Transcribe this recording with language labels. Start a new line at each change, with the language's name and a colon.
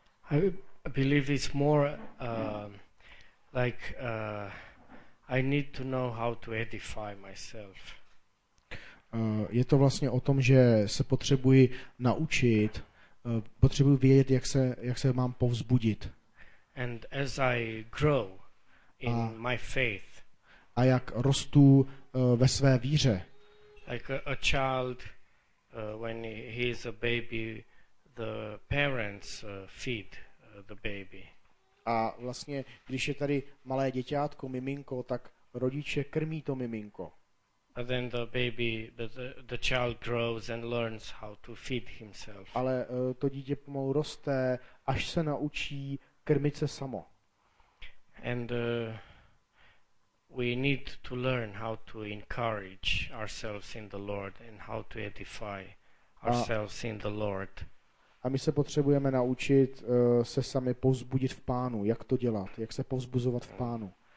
English: I believe it's more like I need to know how to edify myself.
Czech: Je to vlastně o tom, že se potřebuji naučit, potřebuji vědět, jak se mám povzbudit.
English: And as I grow in my faith,
Czech: a jak rostu ve své víře.
English: Like a child when he is a baby, the parents feed the baby.
Czech: A vlastně, když je tady malé děťátko, miminko, tak rodiče krmí to miminko.
English: But then the baby, the child grows and learns how to feed himself.
Czech: Ale to dítě pomalu roste, až se naučí krmit se samo.
English: And we need to learn how to encourage ourselves in the Lord and how to edify ourselves in the Lord.
Czech: A my se potřebujeme naučit se sami povzbudit v Pánu, jak to dělat, jak se povzbuzovat v Pánu.